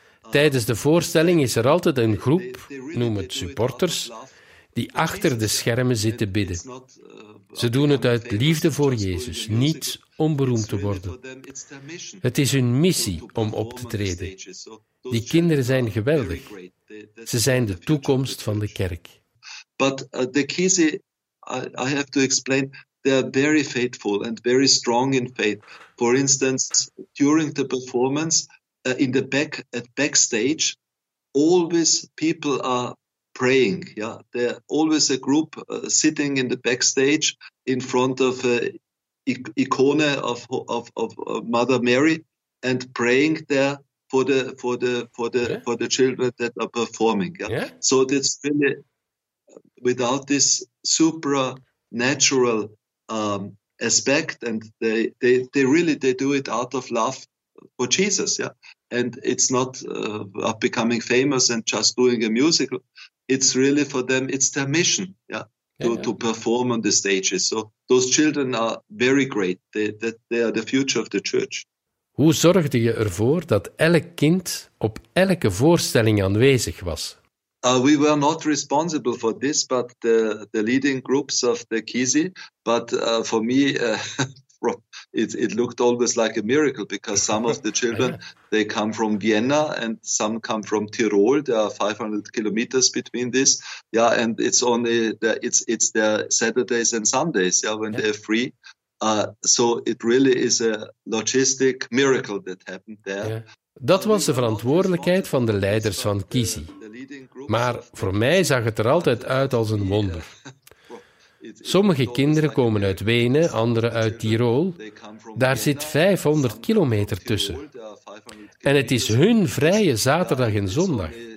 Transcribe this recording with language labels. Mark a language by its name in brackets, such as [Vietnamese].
[Dutch] Tijdens de voorstelling is er altijd een groep, noem het supporters, die achter de schermen zitten bidden. Ze doen het uit liefde voor Jezus, niet om beroemd te worden. Het is hun missie om op te treden. Die kinderen zijn geweldig. Ze zijn de toekomst van de kerk. [English] But the Kisi, I have to explain, they are very faithful and very strong in faith. For instance, during the performance, in the back at backstage, always people are praying. Yeah, there always a group sitting in the backstage in front of an icone of Mother Mary and praying there for the children that are performing. Yeah, yeah. So it's really without this supernatural aspect, and they really do it out of love for Jesus. Yeah. And it's not becoming famous and just doing a musical. It's really for them, it's their mission, to perform on the stages. So those children are very great. They are the future of the church. [Dutch] Hoe zorgde je ervoor dat elk kind op elke voorstelling aanwezig was? [English] We were not responsible for this, but the leading groups of the Kisi. But for me... It looked always like a miracle because some of the children, they come from Vienna and some come from Tirol. There are 500 kilometers between this. Yeah, and it's only it's their Saturdays and Sundays when they're free. So it really is a logistic miracle that happened there. Yeah. [Dutch] Dat was de verantwoordelijkheid van de leiders van Kisi. Maar voor mij zag het er altijd uit als een wonder. Sommige kinderen komen uit Wenen, andere uit Tirol. Daar zit 500 kilometer tussen. En het is hun vrije zaterdag en zondag.